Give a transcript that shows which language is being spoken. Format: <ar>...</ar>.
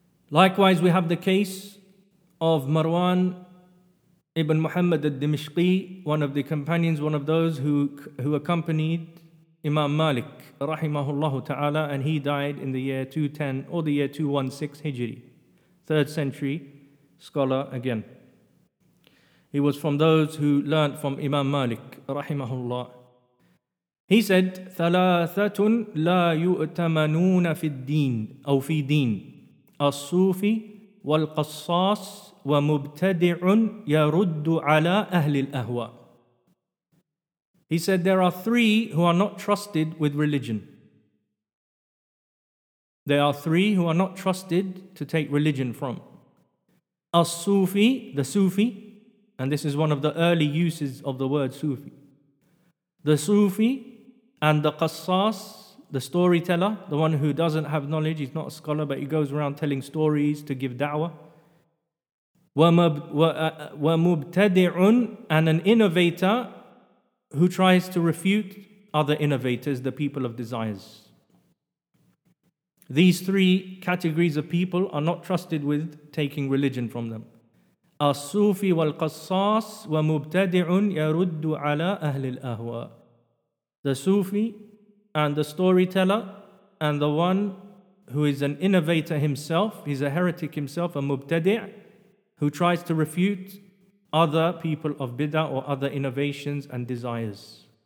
<en>Likewise, we have the case of Marwan ibn Muhammad al-Dimishqi, one of the companions, one of those who accompanied Imam Malik, rahimahullahu ta'ala, and he died in the year 210 or the year 216 Hijri, third century scholar again. He was from those who learned from Imam Malik, rahimahullah. He said,</en> <ar>ثَلَاثَةٌ لَا يُؤْتَمَنُونَ فِي الدِّينِ أو فِي دِينِ الصوفي والقصاص ومبتدع يرد على أهل الأهواء.</ar> <en>He said, there are three who are not trusted with religion. There are three who are not trusted to take religion from. الصوفي, the Sufi, and this is one of the early uses of the word Sufi. The Sufi and the قصاص, the storyteller, the one who doesn't have knowledge, he's not a scholar, but he goes around telling stories to give da'wah. وَمُبْتَدِعٌ and an innovator who tries to refute other innovators, the people of desires. These three categories of people are not trusted with taking religion from them.</en> <ar>الصوفي والقصاص ومبتدعٌ يرد على أهل الأهواء.</ar> <en>The Sufi and the storyteller, and the one who is an innovator himself, he's a heretic himself, a mubtadi', who tries to refute other people of bid'ah or other innovations and desires.</en>